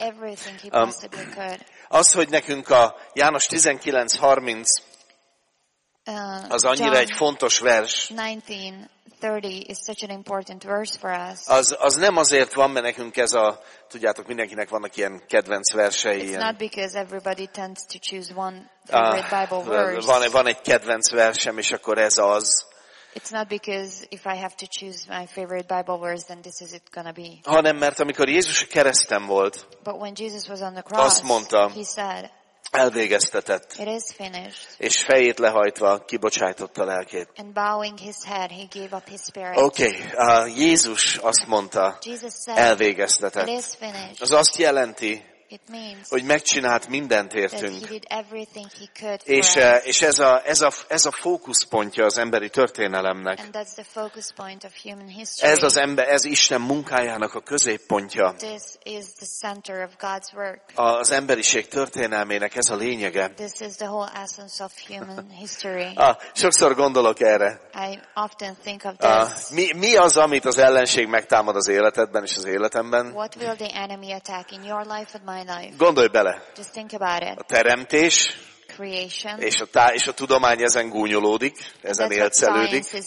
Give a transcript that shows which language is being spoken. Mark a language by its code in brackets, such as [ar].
[en] He did everything he possibly could. [hu] Az, hogy nekünk a János 19:30 az annyira [en] John [hu] egy fontos vers, [en] 19:30 is such an important verse for us. [hu] Az nem azért van, mert nekünk ez a, tudjátok, mindenkinek vannak ilyen kedvenc versei. [en] It's [hu] ilyen [en] not because everybody tends to choose one favorite Bible verse. [hu] Van egy kedvenc versem, és akkor ez az. [en] It's not because if I have to choose my favorite Bible verse, then this is it gonna be. [hu] Hanem mert amikor Jézus a kereszten volt, [en] but when Jesus was on the cross, [hu] azt mondta, [en] he said, [hu] elvégeztetett. [en] It is finished. [hu] És fejét lehajtva kibocsájtotta a lelkét. [en] And bowing his head, he gave up his spirit. [hu] Okay, Jézus azt mondta, [en] Jesus said, [hu] elvégeztetett. [en] It is finished. [hu] Az azt jelenti, [en] it means, [hu] hogy megcsinált mindent értünk. [en] That he did everything he could for [hu] és [en] us. [hu] És ez a fókuszpontja az emberi történelemnek. [en] And that's the focus point of human history. [hu] Ez az ember, ez Isten munkájának a középpontja. [en] This is the center of God's work. [hu] Az emberiség történelmének ez a lényege. [en] This is the whole essence of human history. [hu] Sokszor gondolok erre. [en] I often think of this. [hu] Mi az, amit az ellenség megtámad az életedben és az életemben? [en] What will the enemy attack in your life? [hu] Gondolj bele. [en] Just think about it. [hu] A teremtés, [en] creation, [hu] és a tudomány ezen gúnyolódik, ezen élcelődik.